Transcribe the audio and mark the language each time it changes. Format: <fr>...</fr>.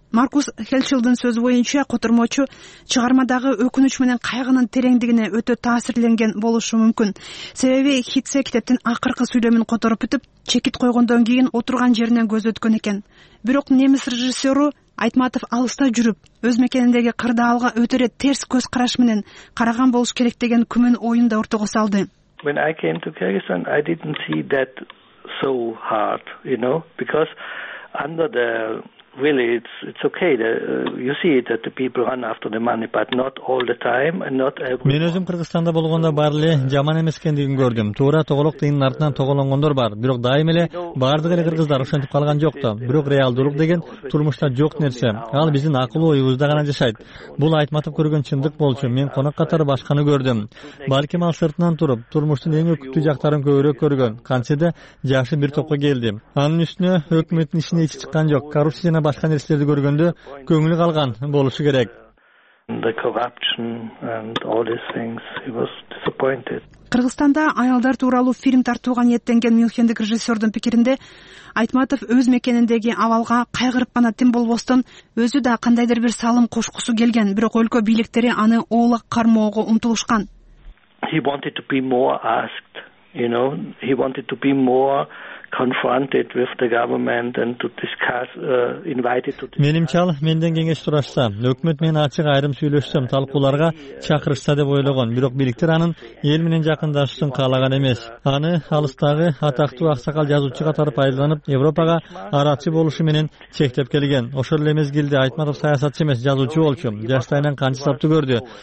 <ky>Маркус Хелчилдин сөзү боюнча котормочу чыгармадагы өкүнүч менен кайгынын тереңдигине өтө таасирленген болушу мүмкүн. Себеби Хитце китептин акыркы сүйлөмүн которуп бүтүп, чекит койгондон кийин отурган жеринен көз өткөн экен. Бирок немис режиссеру Айтматов алыста жүрүп, өз мекениндеги кырдаалга өтөрө терс көз караш менен караган болуш керек деген күмөн оюн да ортого салды.</ky> <en>When I came to Kyrgyzstan, I didn't see that so hard, you know, because under the really it's okay that you see that the people run after the money, but not all the time and not every.</en> <ky>Мен өзүм Кыргызстанда болгондо баары эле жаман эмес экендигин көрдүм. Туура тоголок дейин артынан тоголонгондор бар, бирок дайым эле баардык эле кыргыздар ошентип калган жок да. Бирок реалдуулук деген турмушта жок нерсе, ал биздин акыл оюбузда гана жашайт. Бул Айтматов көргөн чындык болчу. Мен конок катары башканы көрдүм. Балким ал сыртынан туруп турмуштун эң өкүттүү жактарын көбүрөөк көргөн, кантсе да жакшы бир топко келдим. Анын үстүнө өкмөттүн ишине ичи чыккан жок, коррупция башка нерселерди көргөндө көңүлү калган болушу керек. Кыргызстанда аялдар тууралуу фильм тартууга ниеттенген мюнхендик режиссердун пикиринде Айтматов өз мекениндеги абалга кайгырып гана тим болбостон өзү да кандайдыр бир салым кошкусу келген, бирок өлкө бийликтери аны оолак кармоого умтулушкан.</ky> <en>He wanted to be more asked, you know, he wanted to be more confronted with the government and to discuss invited to discuss.</en> <ky>Менимче ал менден кеңеш сурашса, өкмөт менен ачык айрым сүйлөшсөм, талкууларга чакырышса деп ойлогон. Бирок бийликтер анын эл менен жакындашуусун каалаган эмес. Аны алыстагы атактуу аксакал жазуучуга тарып айланып, Европага аратчы болушу менен чектеп келген. Ошол эле мезгилде Айтматов саясатчы эмес, жазуучу болчу. Жаштайынан канчы сапты көрдү.</ky>